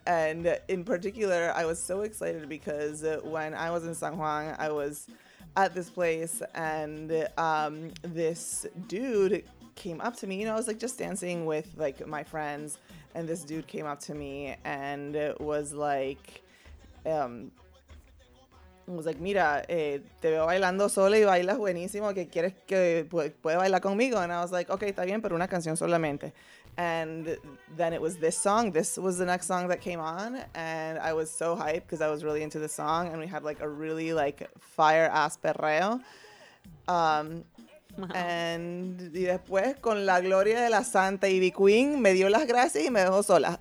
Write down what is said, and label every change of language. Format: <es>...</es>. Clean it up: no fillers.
<en>And in particular, I was so excited because when I was in San Juan, I was at this place and this dude came up to me. You know, I was like just dancing with like my friends and this dude came up to me and was like, was like,</en> <es>mira, te veo bailando sola y bailas buenísimo, que quieres que puede bailar conmigo?</es> <en>And I was like, okay,</en> <es>está bien, pero una canción solamente.</es> <en>And then it was this song. This was the next song that came on, and I was so hyped because I was really into the song, and we had like a really like fire ass perreo.</en> <es>And y después con la gloria de la Santa Ivy Queen me dio las gracias y me dejó sola.</es>